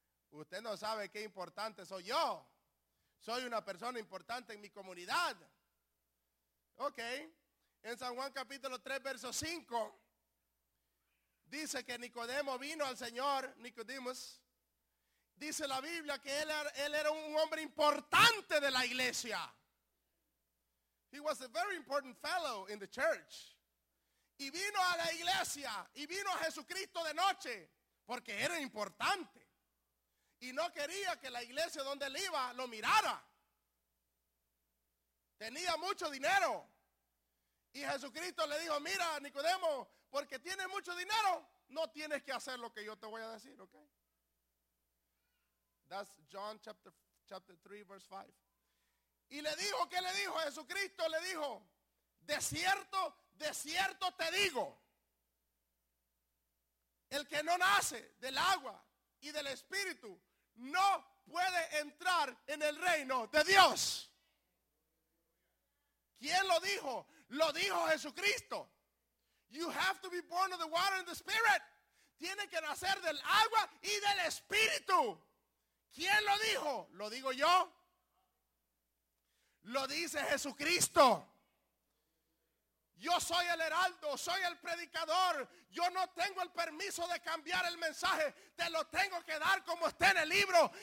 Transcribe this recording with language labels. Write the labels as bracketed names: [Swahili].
[Spanish] Usted no sabe qué importante soy yo. Soy una persona importante en mi comunidad. Ok. En San Juan capítulo 3, verso 5. Dice que Nicodemo vino al Señor. Nicodemus. Dice la Biblia que él era un hombre importante de la iglesia. [English] He was a very important fellow in the church. [Spanish] Y vino a la iglesia. Y vino a Jesucristo de noche. Porque era importante. Y no quería que la iglesia donde él iba lo mirara. Tenía mucho dinero. Y Jesucristo le dijo, mira Nicodemo, porque tienes mucho dinero, no tienes que hacer lo que yo te voy a decir, ¿ok? [English] That's John chapter 3, verse 5. [Spanish] Y le dijo, ¿qué le dijo? Jesucristo le dijo, de cierto te digo, el que no nace del agua y del espíritu no puede entrar en el reino de Dios. ¿Quién lo dijo? Lo dijo Jesucristo. [English] You have to be born of the water and the spirit. [Spanish] Tiene que nacer del agua y del espíritu. ¿Quién lo dijo? Lo digo yo. Lo dice Jesucristo. Yo soy el heraldo, soy el predicador. Yo no tengo el permiso de cambiar el mensaje. Te lo tengo que dar como está en el libro.